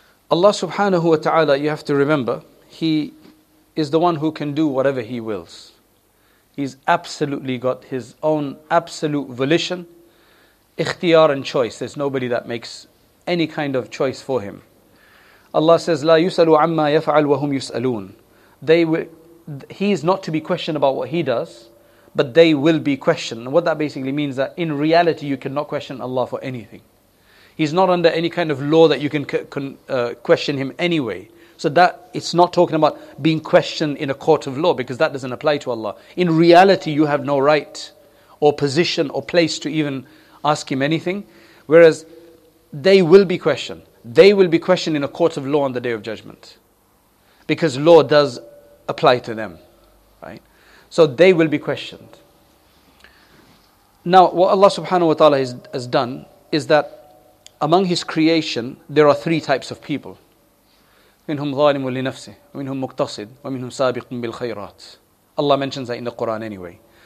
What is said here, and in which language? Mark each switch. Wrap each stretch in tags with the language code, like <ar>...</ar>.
<en>Allah subhanahu wa ta'ala, you have to remember, He is the one who can do whatever He wills. He's absolutely got His own absolute volition, ikhtiyar and choice. There's nobody that makes any kind of choice for Him. Allah says,</en> <ar>لا يسألوا عما يفعل وهم يسألون.</ar> <en>He is not to be questioned about what He does, but they will be questioned. And what that basically means is that in reality, you cannot question Allah for anything. He's not under any kind of law that you can question Him anyway. So that it's not talking about being questioned in a court of law, because that doesn't apply to Allah. In reality, you have no right or position or place to even ask Him anything. Whereas they will be questioned. They will be questioned in a court of law on the Day of Judgment, because law does apply to them, right? So they will be questioned. Now, what Allah subhanahu wa ta'ala has done is that among His creation, there are three types of people.</en> <ar>مِنْهُمْ ظَالِمٌ لِنَفْسِهِ وَمِنْهُمْ مُقْتَصِدٌ وَمِنْهُمْ سَابِقٌ بِالْخَيْرَاتِ</ar> <en>Allah mentions that in the Quran anyway.</en>